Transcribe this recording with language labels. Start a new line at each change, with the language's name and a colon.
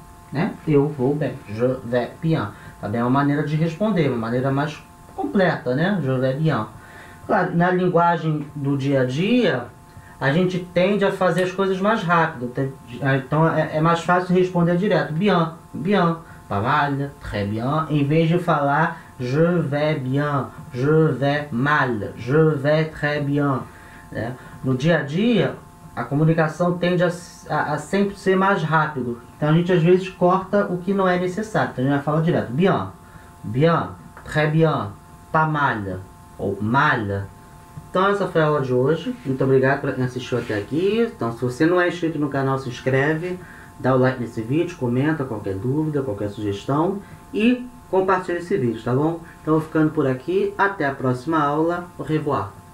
Portuguese: Né? Eu vou bem.
French: Je vais bien.
Portuguese: Também é uma maneira de responder, uma maneira mais completa, né?
French: Je vais bien.
Portuguese: Claro, na linguagem do dia a dia, a gente tende a fazer as coisas mais rápido. Então é mais fácil responder direto.
French: Bien, bien, pas mal, très bien.
Portuguese: Em vez de falar
French: je vais bien, je vais mal, je vais très bien.
Portuguese: Né? No dia a dia, a comunicação tende a sempre ser mais rápido. Então a gente às vezes corta o que não é necessário. Então a gente vai falar direto.
French: Bien, bien, très bien, pas mal, ou mal.
Portuguese: Então, essa foi a aula de hoje. Muito obrigado para quem assistiu até aqui. Então, se você não é inscrito no canal, se inscreve, dá o like nesse vídeo, comenta qualquer dúvida, qualquer sugestão e compartilha esse vídeo, tá bom? Então, vou ficando por aqui. Até a próxima aula.
French: Au revoir.